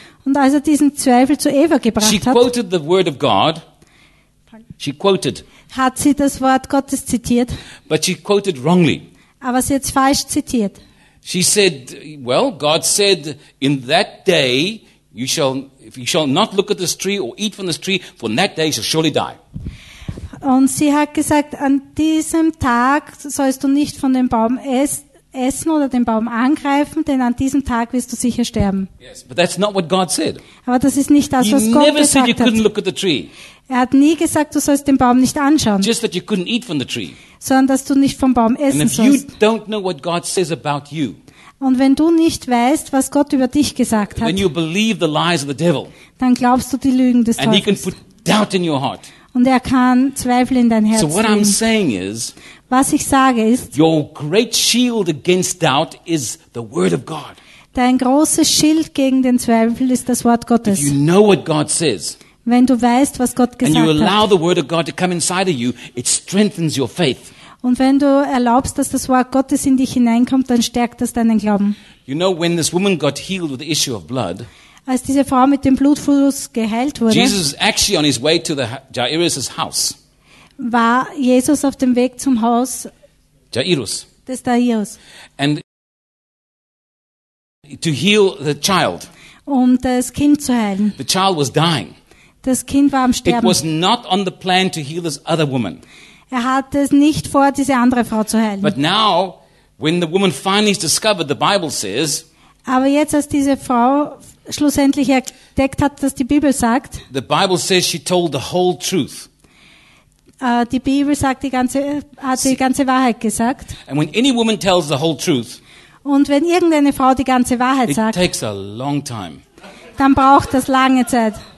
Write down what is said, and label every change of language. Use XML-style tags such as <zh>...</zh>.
<de>und als er diesen Zweifel zu Eva gebracht</de> <en>she</en> <de>hat,</de> <en>quoted the word of God, she quoted,</en> <de>hat sie das Wort Gottes zitiert.</de> <en>But she quoted wrongly.</en> <de>Aber sie hat es falsch zitiert.</de> <en>She said, well, God said, in that day, you shall not look at this tree or eat from this tree, for in that day you shall surely die.</en> <de>Und sie hat gesagt, an diesem Tag sollst du nicht von dem Baum essen oder den Baum angreifen, denn an diesem Tag wirst du sicher sterben.</de> <en>Yes, but that's not what God said.</en> <de>Aber das ist nicht das, was Gott gesagt hat.</de> <en>He never said you couldn't look at the tree.</en> <de>Er hat nie gesagt, du sollst den Baum nicht anschauen.</de> <en>Just that you couldn't eat from the tree.</en> <de>Sondern dass du nicht vom Baum essen sollst.</de> <en>And if you don't know what God says about you,</en> <de>und wenn du nicht weißt, was Gott über dich gesagt hat,</de> <en>then you believe the lies of the devil,</en> <de>dann glaubst du die Lügen des</de> <en>and</en> <de>Teufels.</de> <en>And he can put doubt in your heart.</en> <de>Und er kann Zweifel in dein Herz</de> <en>so what I'm saying is,</en> <de>was ich sage ist,</de> <en>your great shield against doubt is the word of God.</en> <de>Dein großes Schild gegen den Zweifel ist das Wort Gottes.</de> <en>If you know what God says,</en> <de>wenn du weißt, was Gott gesagt</de> <en>and you allow</en> <de>hat,</de> <en>the word of God to come inside of you, it strengthens your faith.</en> <de>Und wenn du erlaubst, dass das Wort Gottes in dich hineinkommt, dann stärkt das deinen Glauben.</de> <en>You know, when this woman got healed with the issue of blood,</en> <de>als diese Frau mit dem Blutfluss geheilt wurde,</de> <en>Jesus actually on his way to the Jairus's house,</en> <de>war Jesus auf dem Weg zum Haus</de> <en>Jairus,</en> <de>des Jairus,</de> <en>and to heal the child,</en> <de>um das Kind zu heilen.</de> <en>The child was dying.</en> <de>Das Kind war am Sterben.</de> <en>It was not on the plan to heal this other woman.</en> <de>Er hatte es nicht vor, diese andere Frau zu heilen.</de> <en>But now, when the woman finally discovered, the Bible says,</en> <de>aber jetzt, als diese Frau schlussendlich entdeckt hat, dass die Bibel sagt,</de> <en>the Bible says she told the whole truth.</en> <de>Die Bibel sagt, hat die ganze Wahrheit gesagt.</de> <en>And when any woman tells the whole truth,</en> <de>und wenn irgendeine Frau die ganze Wahrheit</de> <en>it</en> <de>sagt,</de> <en>takes a long time.</en> <de>Dann braucht das lange Zeit.</de>